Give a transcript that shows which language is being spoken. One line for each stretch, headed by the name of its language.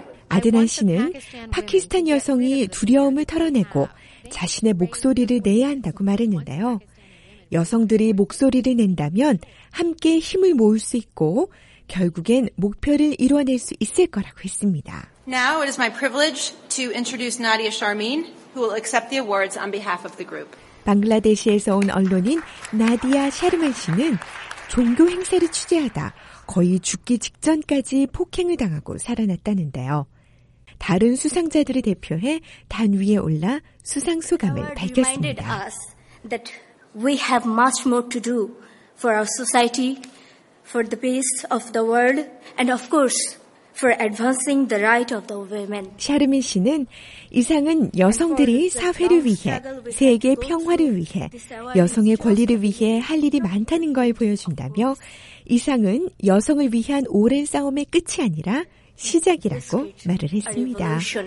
Korean: 아드난 씨는 파키스탄 여성이 두려움을 털어내고 자신의 목소리를 내야 한다고 말했는데요. 여성들이 목소리를 낸다면 함께 힘을 모을 수 있고 결국엔 목표를 이뤄낼 수 있을 거라고 했습니다.
English: Now it is my privilege to introduce Nadia Sharmeen, who will accept the awards on behalf of the group.
Korean: 방글라데시에서 온 언론인 나디아 샤르멘 씨는 종교 행사를 취재하다 거의 죽기 직전까지 폭행을 당하고 살아났다는데요. 다른 수상자들을 대표해 단위에 올라 수상 소감을 밝혔습니다.
English: That we have much more to do for our society, for the peace of the world, and of course for advancing the right of the women.
Korean: 샤르멘 씨는 이상은 여성들이 사회를 위해, 세계 평화를 위해, 여성의 권리를 위해 할 일이 많다는 걸 보여준다며 이상은 여성을 위한 오랜 싸움의 끝이 아니라 시작이라고 말을 했습니다.